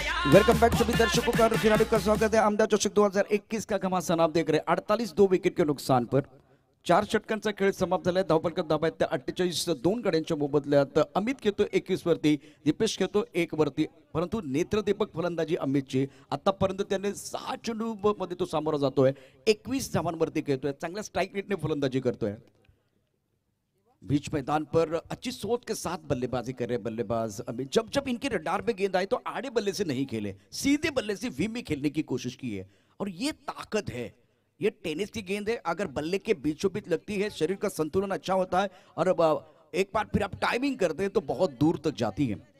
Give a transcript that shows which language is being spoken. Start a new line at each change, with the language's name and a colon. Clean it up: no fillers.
Hindi: Welcome back सभी दर्शकों का और खिलाड़ियों का स्वागत है। आमदार चषक 2021 का घमासान आप देख रहे हैं।
Marathi: 48
Hindi: दो विकेट के नुकसान पर
Marathi: चार षटकांचा खेळ समाप्त झालाय। धावपळ का धाबा आहे 48 दोन गड्यांच्या मोबदल्यात। अमित खेळतो 21 वरती, दीपेश खेळतो 1 वरती, परंतु नेत्रदीपक फलंदाजी अमितची आतापर्यंत त्याने 6 चेंडू मध्ये तो सामोरा जातोय, 21 धावांवरती खेळतोय, चांगल्या स्ट्राइक रेटने फलंदाजी करतोय।
Hindi: बीच मैदान पर अच्छी सोच के साथ बल्लेबाजी कर रहे बल्लेबाज अभी। जब जब इनके रडार पे गेंद आए तो आड़े बल्ले से नहीं खेले, सीधे बल्ले से विम में खेलने की कोशिश की है, और ये ताकत है। ये टेनिस की गेंद है, अगर बल्ले के बीचों बीच लगती है शरीर का संतुलन अच्छा होता है, और अब एक बार फिर आप टाइमिंग करते हैं तो बहुत दूर तक जाती है।